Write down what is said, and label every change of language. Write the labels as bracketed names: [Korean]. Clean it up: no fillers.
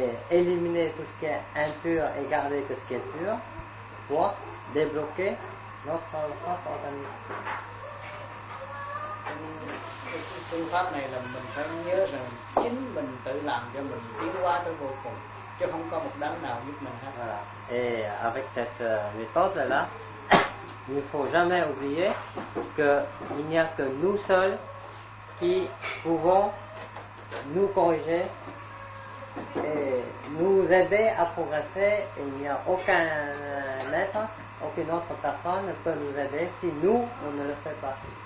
[French] éliminer tout ce qui est impur et garder tout ce qui est pur pour débloquer notre propre organisme. [Vietnamese] Phương pháp này là mình phải nhớ rằng chính mình tự làm cho mình tiến hóa tới vô cùng, chứ không có một đấng nào giúp mình hết. [French] Et avec cette méthode là, il ne faut jamais oublier que il n'y a que nous seuls qui pouvons nous corriger et nous aider à progresser. Il n'y a aucun être, aucune autre personne ne peut nous aider si nous, on ne le fait pas.